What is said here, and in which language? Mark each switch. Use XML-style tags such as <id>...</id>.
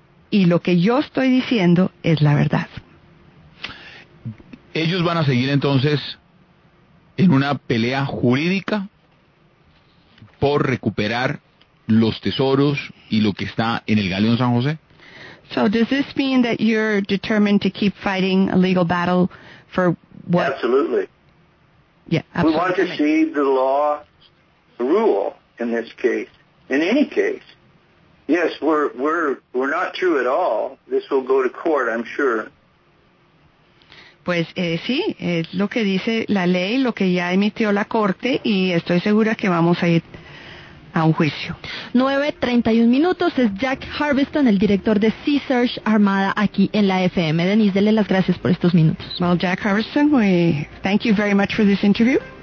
<es>Y lo que yo estoy diciendo es la verdad. ¿Ellos van a seguir entonces en una pelea jurídica por recuperar los tesoros y lo que está en el galeón San José?</es> <en>So does this mean that you're determined to keep fighting a legal battle for what? Absolutely. Yeah, absolutely. We want to see the law rule in this case. In any case, yes, we're not true at all. This will go to court, I'm sure.</en> <es>Pues sí, es lo que dice la ley, lo que ya emitió la corte, y estoy segura que vamos a ir a un juicio. 9:31 minutos, es Jack Harbison, el director de Sea Search Armada aquí en la FM. Denise, dele las gracias por estos minutos.</es> <en>Well, Jack Harbison, we thank you very much for this interview.</en>